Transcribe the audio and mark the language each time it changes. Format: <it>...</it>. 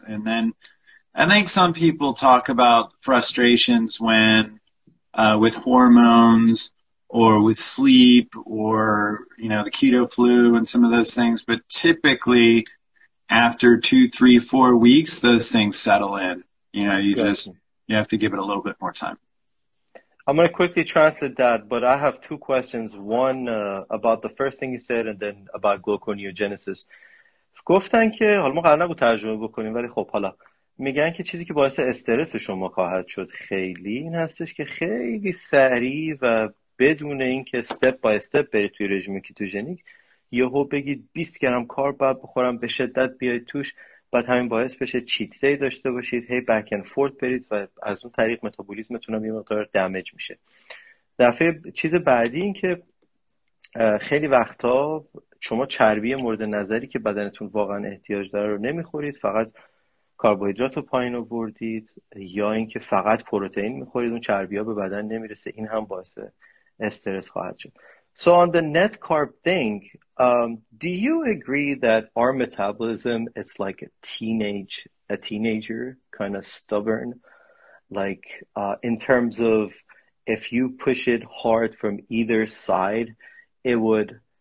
<en>And then I think some people talk about frustrations when with hormones or with sleep or, you know, the keto flu and some of those things, but typically – after 2, 3, 4 weeks, those things settle in. You know, you have to give it a little bit more time. I'm going to quickly translate that, but I have two questions. One about the first thing you said, and then about gluconeogenesis.</en> <fa>گفتن که حالا ما قرار نبود ترجمه بکنیم ولی خب حالا میگن که چیزی که باعث استرس شما خواهد شد خیلی این هستش که خیلی سریع و بدون اینکه</fa> <en>step by step</en> <fa>بری توی رژیم کیتوژنیک یهو بگید 20 گرم کارب باید بخورم به شدت بیاید توش بعد همین باعث بشه چیت دی داشته باشید هی بک اند فورت برید و از اون طریق متابولیزمتون هم یه مقدار دمیج میشه. دفعه چیز بعدی این که خیلی وقتا شما چربی مورد نظری که بدنتون واقعا احتیاج داره رو نمیخورید، فقط کربوهیدرات رو پایین آوردید، یا اینکه فقط پروتئین میخورید اون چربی ها به بدن نمیرسه، این هم باعث استرس خواهد شد.</fa> <en>So on the net carb thing, do you agree that our metabolism is like a teenager, kind of stubborn? Like in terms of if you push it hard from either side, it would,</en>